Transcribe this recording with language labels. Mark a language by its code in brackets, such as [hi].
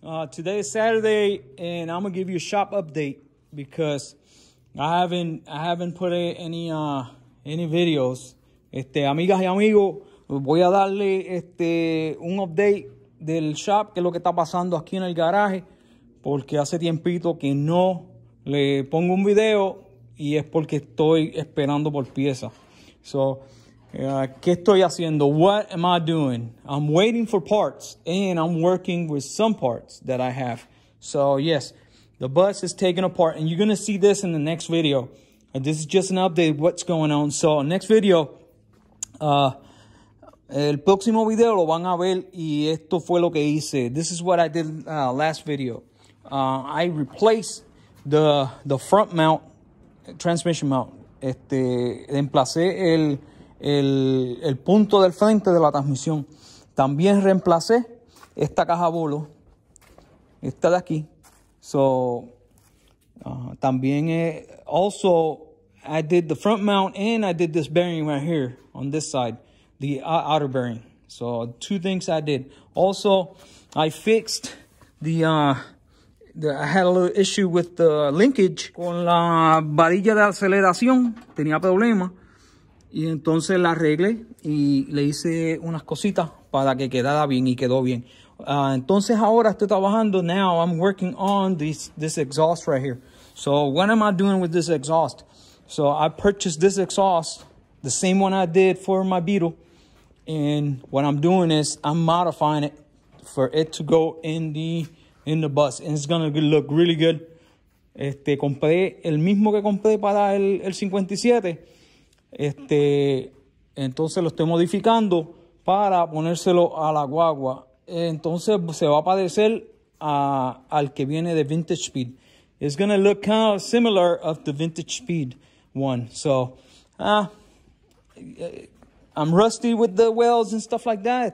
[en] Today is Saturday, and I'm gonna give you a shop update because I haven't put any videos. [es] Amigas y amigos, voy a darle un update del shop, que es lo que está pasando aquí en el garaje, porque hace tiempito que no le pongo un video, y es porque estoy esperando por piezas. [en] So, [es] ¿qué estoy haciendo? [en] What am I doing? I'm waiting for parts, and I'm working with some parts that I have. So, yes, the bus is taken apart, and you're going to see this in the next video. And this is just an update of what's going on. So, next video, [es] el próximo video lo van a ver, y esto fue lo que hice. [en] This is what I did last video. I replaced the front mount, transmission mount. [es] Reemplacé el punto del frente de la transmisión. También reemplacé esta caja bolo, esta de aquí. [en] So, [es] también [en] also I did the front mount, and I did this bearing right here on this side, the outer bearing. So two things I did. Also, I fixed I had a little issue with the linkage. [es] Con la varilla de aceleración tenía problema. Y entonces la arreglé y le hice unas cositas para que quedara bien, y quedó bien. Entonces ahora estoy trabajando. [en] Now I'm working on this exhaust right here. So what am I doing with this exhaust? So I purchased this exhaust, the same one I did for my Beetle. And what I'm doing is I'm modifying it for it to go in the bus. And it's going to look really good. [es] Compré el mismo que compré para el 57. Entonces lo estoy modificando para ponérselo a la guagua. Entonces se va a parecer al que viene de Vintage Speed. [en] It's going to look kind of similar of the Vintage Speed one. So, I'm rusty with the welds and stuff like that.